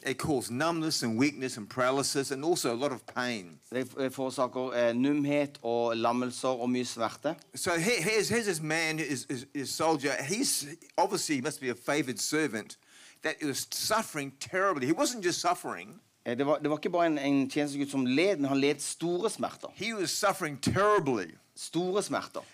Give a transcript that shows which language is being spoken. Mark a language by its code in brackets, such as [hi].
[en] It caused numbness and weakness and paralysis and also a lot of pain. [no] Det forårsaker numhet og lammelser og mye smerte. [en] So here's this man, his soldier. He's obviously he must be a favored servant that was suffering terribly. He wasn't just suffering. [no] Det var ikke bare en tjenestegutt som led, men han led store smerter. [en] He was suffering terribly. [no] Store smerter.